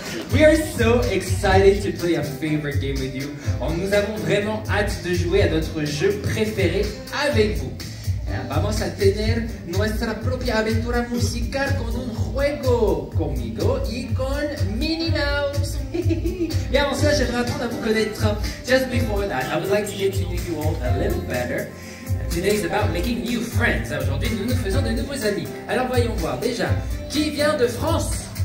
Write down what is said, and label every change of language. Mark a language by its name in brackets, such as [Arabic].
[English] We are so excited to play a favorite game with you. [French] Oh, nous avons vraiment hâte de jouer à notre jeu préféré avec vous. [Spanish] Vamos a tener nuestra propia aventura musical con un juego conmigo y con Minnie Mouse. [French] Bien, ensuite, j'aimerais apprendre à vous connaître. [English] Just before that, I would like to get to know you all a little better. Today is about making new friends. [French] Aujourd'hui, nous nous faisons de nouveaux amis. Alors voyons voir déjà, qui vient de France?